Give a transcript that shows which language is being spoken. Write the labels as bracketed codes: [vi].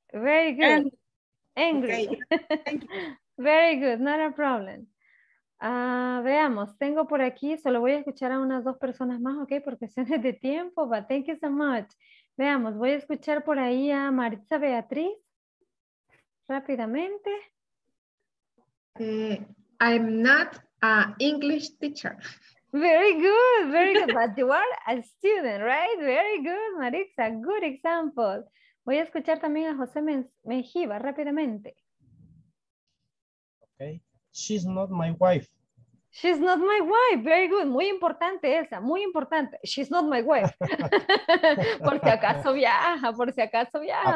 [en] Very good. Angry. Okay. Very good. Not a problem. [es] Veamos, tengo por aquí, solo voy a escuchar a unas dos personas más, ok, por cuestiones de tiempo, [en] but thank you so much. [es] Veamos, voy a escuchar por ahí a Maritza Beatriz, rápidamente. [en] I'm not an English teacher. Very good, very good, but you are a student, right? Very good, Maritza, good example. [es] Voy a escuchar también a José Mejiba, rápidamente. [en] Ok. She's not my wife. She's not my wife. Very good. [es] Muy importante esa. Muy importante. [en] She's not my wife. [es] Por si acaso viaja. Por si acaso viaja.